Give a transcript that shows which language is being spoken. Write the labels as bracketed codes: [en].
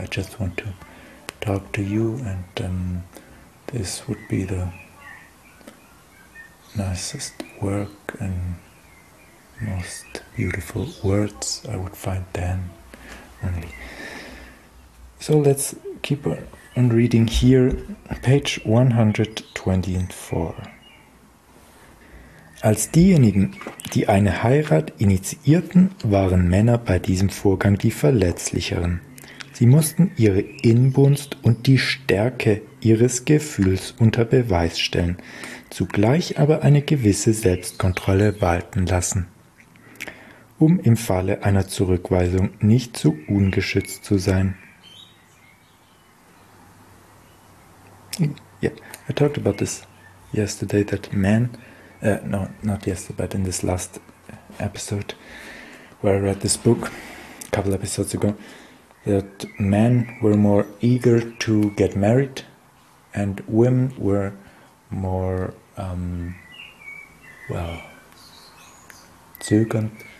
[en] I just want to talk to you, and this would be the nicest work and most beautiful words I would find then only. So let's keep on reading here, page 124. [de] Als diejenigen, die eine Heirat initiierten, waren Männer bei diesem Vorgang die Verletzlicheren. Sie mussten ihre Inbrunst und die Stärke ihres Gefühls unter Beweis stellen, zugleich aber eine gewisse Selbstkontrolle walten lassen, um im Falle einer Zurückweisung nicht zu ungeschützt zu sein. [en] Yeah, I talked about this yesterday, that men, no, not yesterday, but in this last episode, where I read this book a couple episodes ago, that men were more eager to get married and women were more, well, zögernd.